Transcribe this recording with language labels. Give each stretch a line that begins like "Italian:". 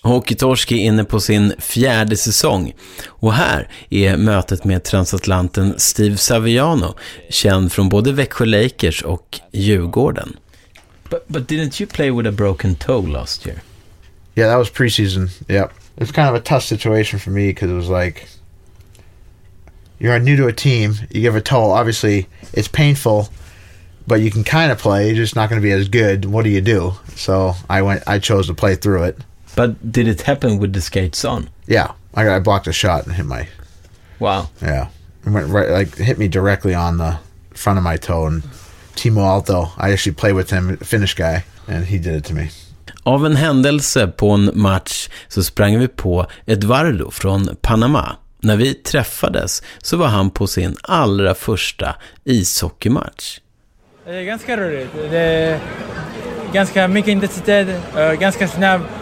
Swedish: Hockeytorsk är inne på sin fjärde säsong. Och här är mötet med transatlanten Steve Saviano, känd från både Växjö Lakers och Djurgården.
English: But didn't you play with a broken toe last year? Yeah, that was preseason. Yeah. It was kind of a tough situation for me because it was like you're new to a team, you give a toll. Obviously, it's painful, but you can kind of play. You're just not going to be as good. What do you do? So I chose to play through it. But did it happen with the skates on? Yeah. I blocked a shot and hit my... Wow. Yeah. It went right, like, hit me directly on the front of my toe. And Timo Aalto, I actually played with him, Finnish guy, and he did it to me.
Swedish: Av en händelse på en match så sprang vi på Eduardo från Panama. När vi träffades så var han på sin allra första ishockeymatch. Det är ganska roligt. Det är ganska mycket intensitet, ganska snabb.